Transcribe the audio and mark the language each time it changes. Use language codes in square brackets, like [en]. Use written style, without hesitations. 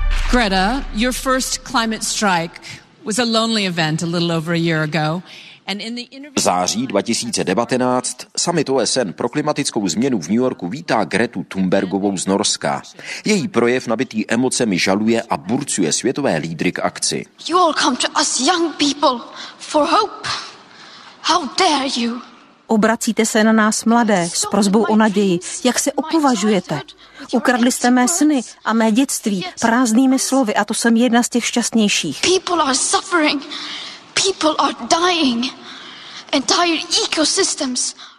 [en] Greta, your first climate strike was a lonely event a little over a year ago. [cs] V září 2019 summit OSN pro klimatickou změnu v New Yorku vítá Gretu Thunbergovou z Norska. Její projev nabitý emocemi žaluje a burcuje světové lídry k akci. [en] You all come to us young people for hope. How dare you? [cs] Obracíte se na nás mladé s prosbou o naději. Jak se opovažujete? Ukradli jste mé sny a mé dětství prázdnými slovy a to jsem jedna z těch šťastnějších. [en] People are suffering. People are dying. Entire ecosystems.